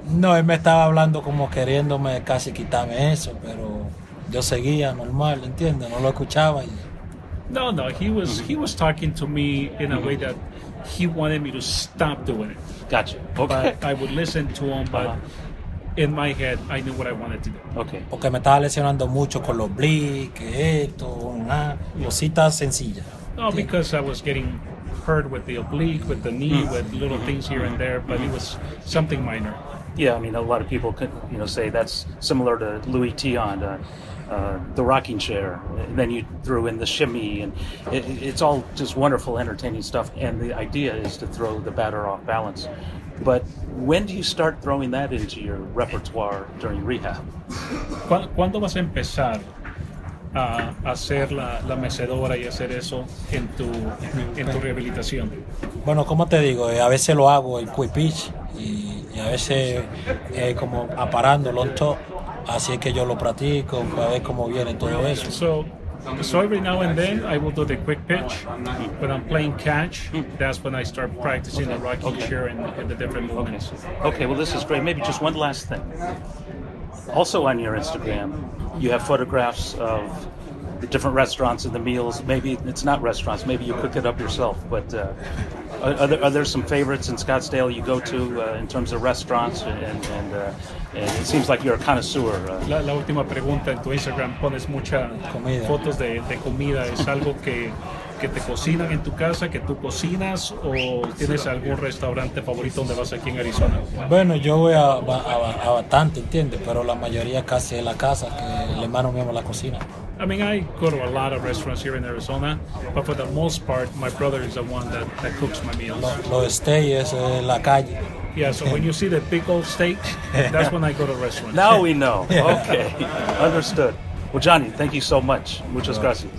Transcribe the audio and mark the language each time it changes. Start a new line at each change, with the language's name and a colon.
Spanish: No, él me estaba hablando como queriéndome casi quitarme eso, pero yo seguía normal, ¿entiendes? No lo escuchaba. Y...
English: No, he was talking to me in a mm-hmm. way that he wanted me to stop doing it. Gotcha. Okay. But I would listen to him, but uh-huh. in my head, I knew what I wanted to do. Okay.
Spanish: Porque me estaba lesionando mucho con los bliques, esto, una cosita sencilla.
English: No, because I was getting... hurt with the oblique, with the knee, with little things here and there, but it was something minor. Yeah, I mean, a lot of people could, you know, say that's similar to Louis Tion, the rocking chair, and then you threw in the shimmy, and it's all just wonderful, entertaining stuff, and the idea is to throw the batter off balance. But when do you start throwing that into your repertoire during rehab?
Spanish: ¿Cuándo vas a empezar a hacer la mecedora y hacer eso en tu rehabilitación? Bueno, como te digo, a veces lo hago el quick pitch y a veces como aparando el on top, así es que yo lo practico para ver cómo viene todo eso.
English: So every now and then I will do the quick pitch. When I'm playing catch, that's when I start practicing the rocking okay. chair and the different movements. Okay, well, this is great. Maybe just one last thing. Also on your Instagram, you have photographs of the different restaurants and the meals. Maybe it's not restaurants. Maybe you cook it up yourself. But are there some favorites in Scottsdale you go to in terms of restaurants? And it seems like you're a connoisseur.
Spanish: La última pregunta, en tu Instagram pones mucha comida. Fotos de comida. ¿Es algo que te cocinan en tu casa, que tú cocinas, o tienes algún restaurante favorito donde vas aquí en Arizona? Bueno, yo voy a bastante, ¿entiendes? Pero la mayoría casi es la casa, que el hermano mismo la cocina.
English: I mean, I go to a lot of restaurants here in Arizona, but for the most part, my brother is the one that cooks my meals.
Spanish: Lo steak es la calle.
English: Yeah, so when you see the big old steak, that's when I go to restaurants. Now we know. Okay, understood. Well, Johnny, thank you so much.
Spanish: Muchas gracias.